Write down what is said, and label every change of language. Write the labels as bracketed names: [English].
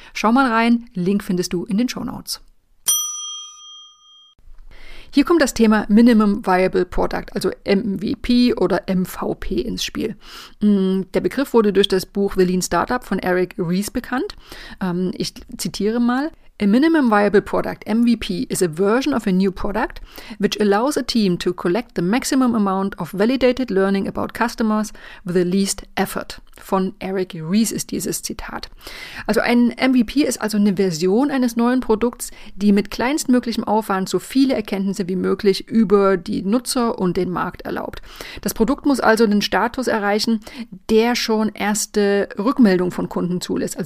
[German] Schau mal rein, Link findest du in den Shownotes. Hier kommt das Thema Minimum Viable Product, also MVP oder MVP ins Spiel. Der Begriff wurde durch das Buch The Lean Startup von Eric Ries bekannt. Ich zitiere mal. [English] A Minimum Viable Product, MVP, is a version of a new product, which allows a team to collect the maximum amount of validated learning about customers with the least effort. [German] Von Eric Ries ist dieses Zitat. Also ein MVP ist also eine Version eines neuen Produkts, die mit kleinstmöglichem Aufwand so viele Erkenntnisse wie möglich über die Nutzer und den Markt erlaubt. Das Produkt muss also einen Status erreichen, der schon erste Rückmeldung von Kunden zulässt.